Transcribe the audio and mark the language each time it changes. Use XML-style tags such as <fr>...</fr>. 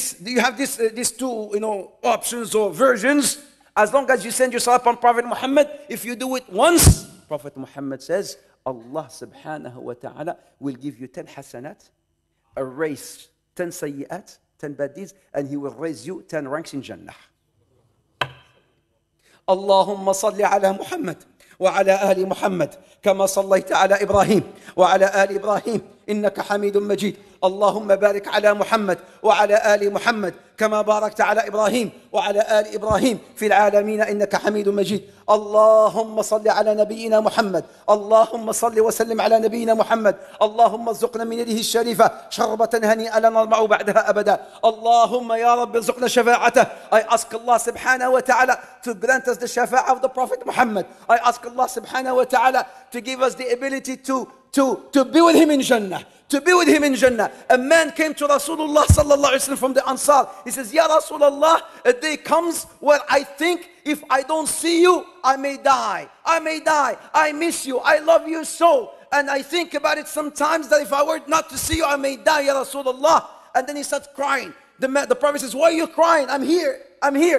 <en>you have this these two you know options or versions as long as you send yourself upon Prophet Muhammad if you do it once Prophet Muhammad says Allah</en> <ar>سبحانه وتعالى</ar> <en>will give you 10 حسنات erase 10 سيئات 10 bad deeds and he will raise you 10 ranks in Jannah.</en> <ar>اللهم صل على محمد وعلى آل محمد كما صليت على إبراهيم وعلى آل إبراهيم إنك حميد مجيد اللهم بارك على محمد وعلى آل محمد كما باركت على إبراهيم وعلى آل إبراهيم في العالمين إنك حميد مجيد اللهم صل على نبينا محمد اللهم صل وسلم على نبينا محمد اللهم ارزقنا من يده الشريفة شربة هنيئة لا نظمأ بعدها أبدا اللهم يا رب ارزقنا شفاعته</ar> <en>I ask Allah</en> <ar>سبحانه وتعالى</ar> <en>to grant us the shafa of the Prophet Muhammad I ask Allah سبحانه وتعالى to give us the ability to be with him in Jannah To be with him in Jannah. A man came to Rasulullah sallallahu alayhi wa sallam from the Ansar. He says, Ya Rasulullah, a day comes where I think if I don't see you, I may die. I may die. I miss you. I love you so. And I think about it sometimes that if I were not to see you, I may die, Ya Rasulullah. And then he starts crying. The Prophet says, Why are you crying? I'm here. I'm here.</en>